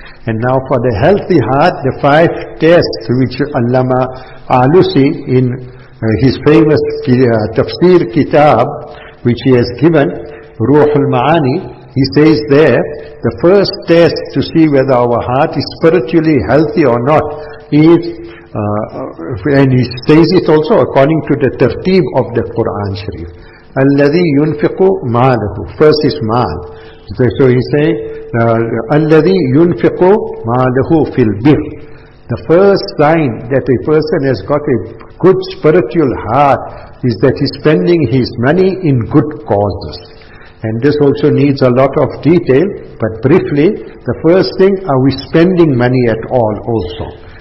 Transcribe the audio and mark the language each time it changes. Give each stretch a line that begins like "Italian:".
English: And now for the healthy heart, the 5 tests which Allama Alusi in his famous tafsir kitab, which he has given, Ruhul Ma'ani, he says there, the first test to see whether our heart is spiritually healthy or not is, and he says it also according to the tartib of the Quran Sharif, Alladhi yunfiqu ma'lahu, first is ma'l. So he says,
Arabic: الَّذِي يُنْفِقُ مَالَهُ فِي الْبِرِّ.
English: The first sign that a person has got a good spiritual heart is that he's spending his money in good causes. And this also needs a lot of detail, but briefly, the first thing, are we spending money at all also?